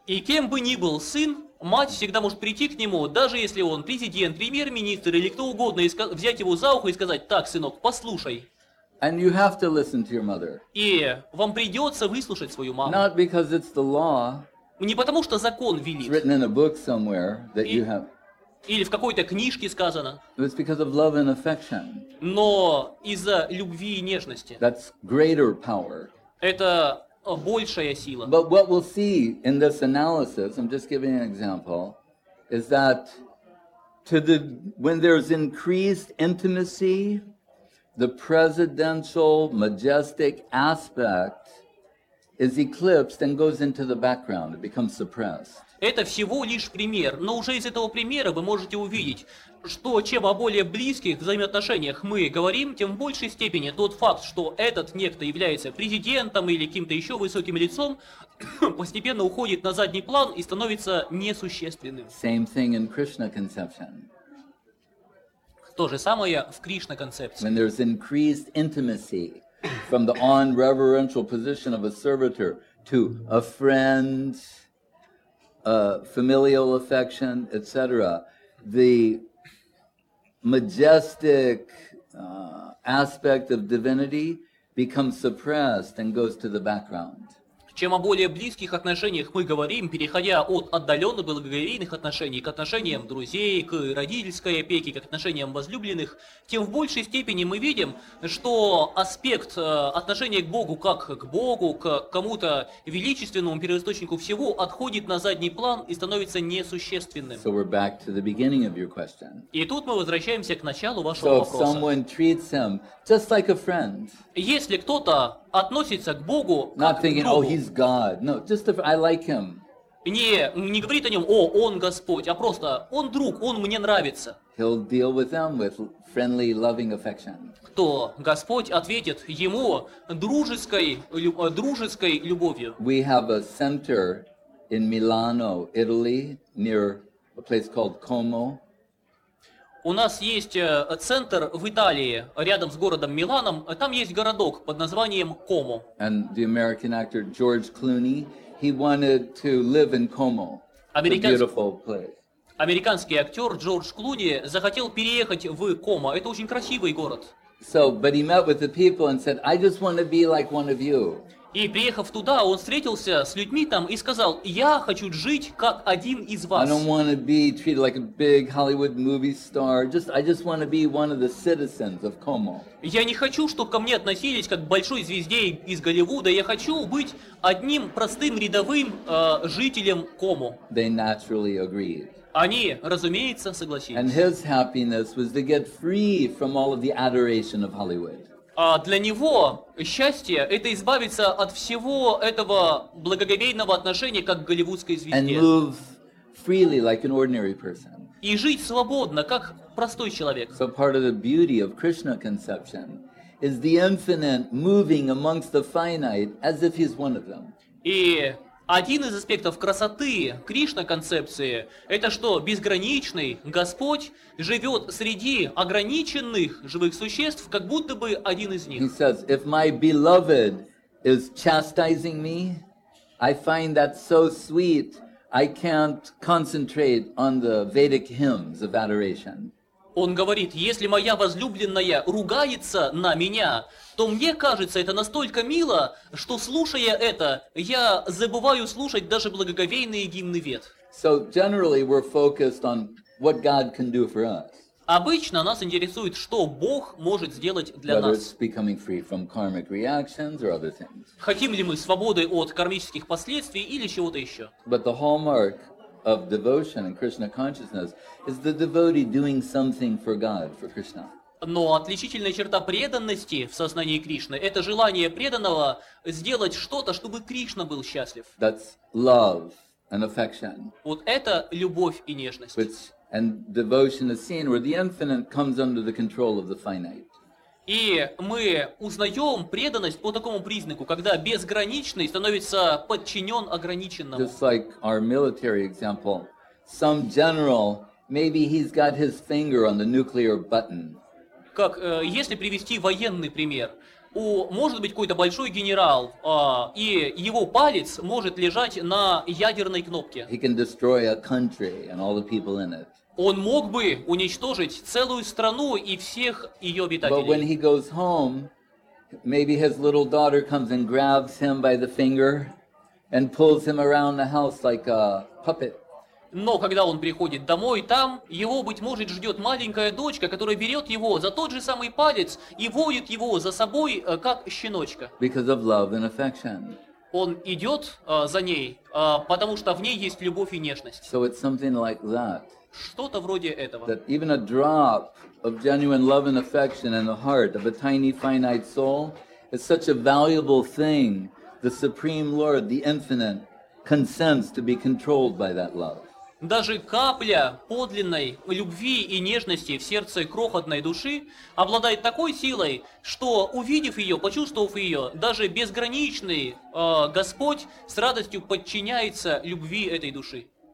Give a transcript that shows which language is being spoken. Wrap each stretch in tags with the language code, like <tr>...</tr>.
<ru>И кем бы ни был сын, мать всегда может прийти к нему, даже если он президент, премьер-министр или кто угодно, и взять его за ухо и сказать, так, сынок, послушай.</ru> <en>And you have to listen to your mother.</en> <ru>И вам придется выслушать свою маму.</ru> <en>Not because it's the law.</en> <ru>Не потому что закон велит.</ru> <en>It's written in a book somewhere that you have.</en> <ru>Или в какой-то книжке сказано.</ru> <en>It's because of love and affection.</en> <ru>Но из-за любви и нежности.</ru> <en>That's greater power.</en> <ru>Это большая сила.</ru> <en>But what we'll see in this analysis, I'm just giving an example, is that when there's increased intimacy, the presidential majestic aspect is eclipsed and goes into the background. It becomes suppressed.</en> <ru>Это всего лишь пример, но уже из этого примера вы можете увидеть, что чем о более близких взаимоотношениях мы говорим, тем в большей степени тот факт, что этот некто является президентом или каким-то еще высоким лицом, постепенно уходит на задний план и становится несущественным.</ru> <en>Same thing in Krishna conception.</en> <ru>То же самое в Кришна концепции.</ru> <en>When there's increased intimacy from the on reverential position of a servitor to a friend, familial affection, etc. The majestic aspect of divinity becomes suppressed and goes to the background.</en> <ru>Чем о более близких отношениях мы говорим, переходя от отдаленных благоговейных отношений к отношениям друзей, к родительской опеке, к отношениям возлюбленных, тем в большей степени мы видим, что аспект отношения к Богу как к Богу, к кому-то величественному первоисточнику всего, отходит на задний план и становится несущественным.</ru> <en>So we're back to the beginning of your question.</en> <ru>И тут мы возвращаемся к началу вашего вопроса.</ru> <en>So if someone treats him just like a friend,</en> <ru>если кто-то относится к Богу как к другу.</ru> <en>Not thinking, oh, he's God. No, just if I like him.</en> <ru>Не говорит о нем, о, он Господь, а просто, он друг, он мне нравится.</ru> <en>He'll deal with them with friendly, loving affection.</en> <ru>То Господь ответит ему дружеской любовью.</ru> <en>We have a center in Milano, Italy, near a place called Como.</en> <ru>У нас есть центр в Италии, рядом с городом Миланом. Там есть городок под названием Комо.</ru> <en>And the American actor George Clooney, he wanted to live in Como, beautiful place.</en> <ru>Американский актер Джордж Клуни захотел переехать в Комо. Это очень красивый город.</ru> <en>So, but he met with the people and said, I just want to be like one of you.</en> <ru>И приехав туда, он встретился с людьми там и сказал: «Я хочу жить как один из вас».</ru> <en>I don't want to be treated like a big Hollywood movie star. I just want to be one of the citizens of Como.</en> <ru>Я не хочу, чтобы ко мне относились как к большой звезде из Голливуда. Я хочу быть одним простым рядовым жителем Como.</ru> <en>They naturally agreed.</en> <ru>Они, разумеется, согласились.</ru> <en>And his happiness was to get free from all of the adoration of Hollywood.</en> <ru>А для него счастье – это избавиться от всего этого благоговейного отношения, как к голливудской звезде.</ru> <en>And move freely, like an ordinary person.</en> <ru>И жить свободно, как простой человек.</ru> <en>So part of the beauty of Krishna conception is the infinite moving amongst the finite as if he's one of them.</en> <ru>И один из аспектов красоты Кришна-концепции – это что безграничный Господь живет среди ограниченных живых существ, как будто бы один из них.</ru> <en>He says, if my beloved is chastising me, I find that so sweet, I can't concentrate on the Vedic hymns of adoration.</en> <ru>Он говорит, если моя возлюбленная ругается на меня, то мне кажется, это настолько мило, что слушая это, я забываю слушать даже благоговейные гимны Вед.</ru> <en>So generally we're focused on what God can do for us.</en> <ru>Обычно нас интересует, что Бог может сделать для</ru> <en>Whether</en> <ru>нас.</ru> <en>It's becoming free from karmic reactions or other things.</en> <ru>Хотим ли мы свободы от кармических последствий или чего-то еще?</ru> <en>But the hallmark of devotion and Krishna consciousness is the devotee doing something for God, for Krishna.</en> <ru>Но отличительная черта преданности в сознании Кришны – это желание преданного сделать что-то, чтобы Кришна был счастлив.</ru> <en>That's love and affection.</en> <ru>Вот это любовь и нежность.</ru> <en>Which, and devotion is seen where the infinite comes under the control of the finite.</en> <ru>И мы узнаем преданность по такому признаку, когда безграничный становится подчинен ограниченному.</ru> <en>Just like our military example, some general, maybe he's got his finger on the nuclear button.</en> <ru>Как, если привести военный пример, может быть какой-то большой генерал, и его палец может лежать на ядерной кнопке.</ru> <en>He can destroy a country and all the people in it.</en> <ru>Он мог бы уничтожить целую страну и всех ее обитателей.</ru> <en>But when he goes home, maybe his little daughter comes and grabs him by the finger and pulls him around the house like a puppet.</en> <ru>Но когда он приходит домой, там его, быть может, ждет маленькая дочка, которая берет его за тот же самый палец и водит его за собой, как щеночка.</ru> <en>Because of love and affection.</en> <ru>Он идет за ней, потому что в ней есть любовь и нежность.</ru> <en>So it's something like that.</en> <ru>Что-то вроде этого.</ru> <en>That even a drop of genuine love and affection in the heart of a tiny finite soul is such a valuable thing the Supreme Lord, the Infinite, consents to be controlled by that love.</en> <ru>Даже капля подлинной любви и нежности в сердце крохотной души обладает такой силой, что, увидев ее, почувствовав ее, даже безграничный Господь с радостью подчиняется любви этой души.</ru>